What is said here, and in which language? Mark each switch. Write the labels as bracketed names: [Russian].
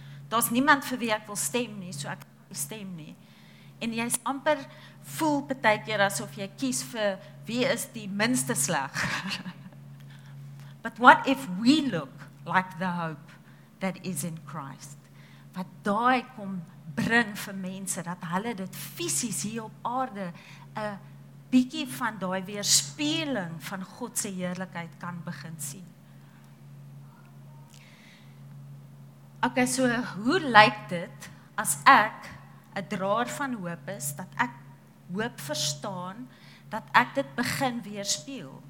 [Afrikaans] Daar's niemand vir wie ek wil stem nie, so ek stem nie. En jy is amper voel partykeer asof jy kies vir wie is die minste sleg. [English] But what if we look like the hope that is in Christ. [Afrikaans] Wat daai kom bring vir mense, dat hulle dit fisies hier op aarde, 'n bietjie van daai weerspieëling van God se heerlikheid kan begin sien. Okay, so hoe lyk dit as ek 'n draer van hoop is, dat ek hoop verstaan, dat ek dit begin weerspieël?